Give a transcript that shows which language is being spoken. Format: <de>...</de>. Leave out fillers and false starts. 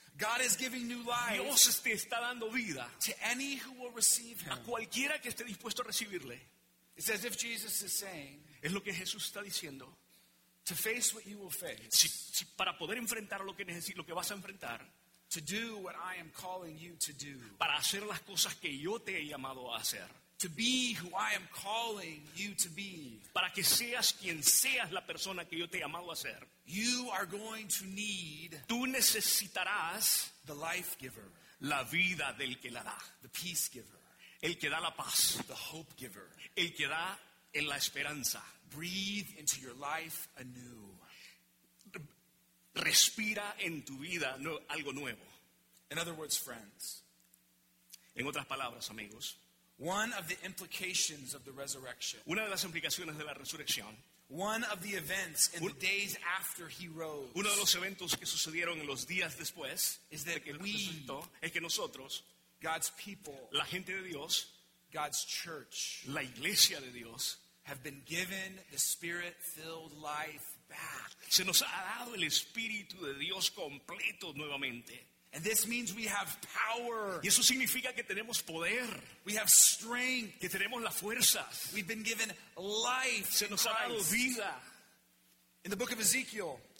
<en>God is giving new life.</en> <es>Dios te está dando vida.</es> <en>To any who will receive him.</en> <es>A cualquiera que esté dispuesto a recibirle.</es> <en>It's as if Jesus is saying.</en> <es>Es lo que Jesús está diciendo.</es> <en>To face what you will face.</en> <es>Si, para poder enfrentar lo que vas a enfrentar.</es> <en>To do what I am calling you to do.</en> <es>Para hacer las cosas que yo te he llamado a hacer.</es> <en>To be who I am calling you to be.</en> <es>Para que seas quien seas la persona que yo te he llamado a ser.</es> <en>You are going to need.</en> <es>Tú necesitarás.</es> <en>The life giver.</en> <es>La vida del que la da.</es> <en>The peace giver.</en> <es>El que da la paz.</es> <en>The hope giver.</en> <es>El que da en la esperanza.</es> <en>Breathe into your life anew.</en> <es>Respira en tu vida algo nuevo.</es> <en>In other words, friends.</en> <es>En otras palabras, amigos.</es> <en>One of the implications of the resurrection.</en> <es>Una de las implicaciones de la resurrección.</es> <en>One of the events in the days after he rose.</en> <es>Uno de los eventos que sucedieron en los días después.</es> <en>Is that</en> <es>que we, resucitó, es que nosotros,</es> <en>God's people,</en> <es>la gente de Dios,</es> <en>God's church,</en> <es>la iglesia de Dios,</es> <en>have been given the spirit-filled life back.</en> <es>Se nos ha dado el espíritu de Dios completo nuevamente.</es> <en>And this means we have power.</en> <es>Y eso significa que tenemos poder.</es> <en>We have strength.</en> <es>Que tenemos la fuerza.</es> <en>We've been given life.</en> <es>Se nos ha dado vida.</es> <en>In the book of Ezekiel,</en>